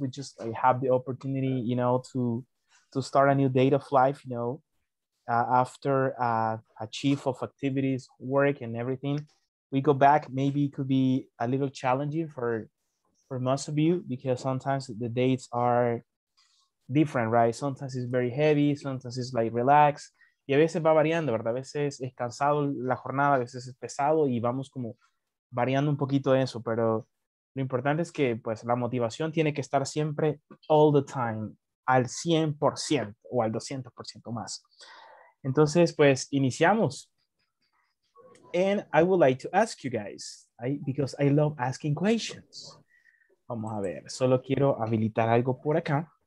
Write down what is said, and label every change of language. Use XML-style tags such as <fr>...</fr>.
<en>We just have the opportunity, you know, to start a new date of life, you know, after a chief of activities, work, and everything. We go back, maybe it could be a little challenging for most of you because sometimes the dates are different, right? Sometimes it's very heavy, sometimes it's like relaxed.</en> <es>Y a veces va variando, ¿verdad? A veces es cansado la jornada, a veces es pesado y vamos como variando un poquito de eso, pero lo importante es que pues la motivación tiene que estar siempre</es> <en>all the time,</en> <es>al 100% o al 200% más. Entonces, pues iniciamos.</es> <en>And I would like to ask you guys, because I love asking questions.</en> <es>Vamos a ver, solo quiero habilitar algo por acá.</es>